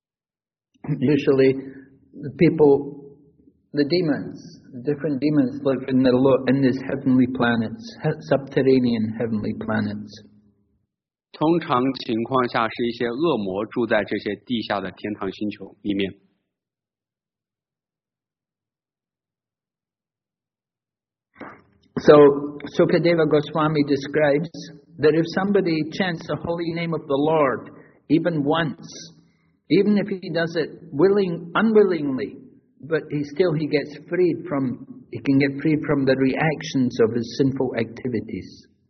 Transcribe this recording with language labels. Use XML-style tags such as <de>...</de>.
<en>the people, the demons, different demons live in this heavenly planets, subterranean heavenly planets.</en> <zh>通常情况下是一些恶魔住在这些地下的天堂星球里面。</zh> <en>So Sukadeva Goswami describes that if somebody chants the holy name of the Lord even once, even if he does it unwillingly, but he can get freed from the reactions of his sinful activities.</en>